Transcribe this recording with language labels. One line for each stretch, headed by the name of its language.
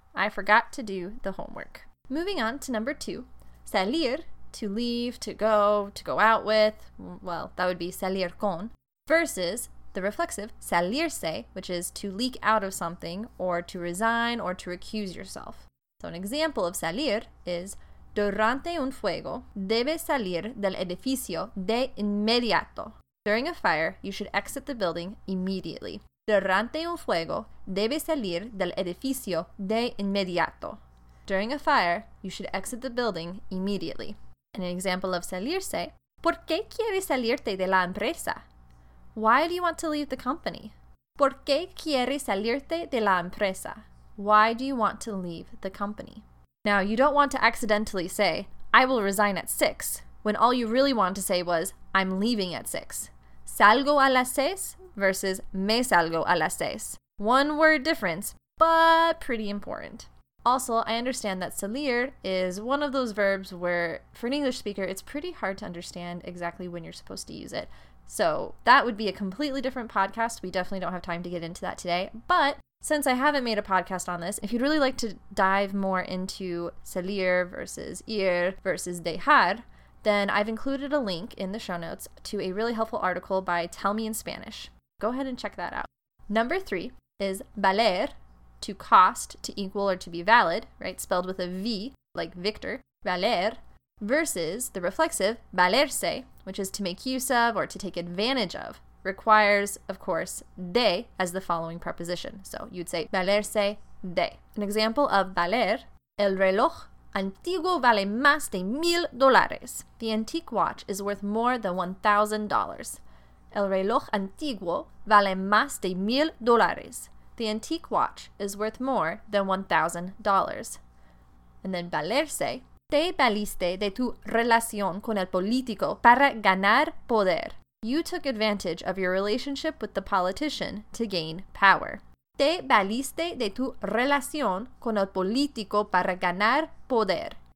English: I forgot to do the homework. Moving on to number 2. Salir, to leave, to go out with. Well, that would be salir con. Versus the reflexive salirse, which is to leak out of something, or to resign, or to recuse yourself. So an example of salir is,
Spanish: durante un fuego, debe salir del edificio de inmediato.
English: During a fire, you should exit the building immediately.
Spanish: Durante un fuego, debe salir del edificio de inmediato.
English: During a fire, you should exit the building immediately. And an example of salirse,
Spanish: ¿por qué quieres salirte de la empresa?
English: Why do you want to leave the company?
Spanish: ¿Por qué quieres salirte de la empresa?
English: Why do you want to leave the company? Now, you don't want to accidentally say, I will resign at 6, when all you really want to say was, I'm leaving at 6.
Spanish: Salgo a las 6 versus me salgo a las 6.
English: One word difference, but pretty important. Also, I understand that salir is one of those verbs where, for an English speaker, it's pretty hard to understand exactly when you're supposed to use it. So that would be a completely different podcast. We definitely don't have time to get into that today. But since I haven't made a podcast on this, if you'd really like to dive more into salir versus ir versus dejar, then I've included a link in the show notes to a really helpful article by Tell Me in Spanish. Go ahead and check that out. Number three is valer, to cost, to equal, or to be valid, right? Spelled with a V, like Victor, valer, versus the reflexive valerse, which is to make use of or to take advantage of, requires, of course, de as the following preposition. So you'd say valerse de. An example of valer:
Spanish: el reloj antiguo vale más de $1,000.
English: The antique watch is worth more than $1,000.
Spanish: El reloj antiguo vale más de $1,000.
English: The antique watch is worth more than $1,000. And then
Spanish: valerse: te valiste de tu relación con el político para ganar poder.
English: You took advantage of your relationship with the politician to gain power.
Spanish: Te valiste de tu relación con el político para ganar poder.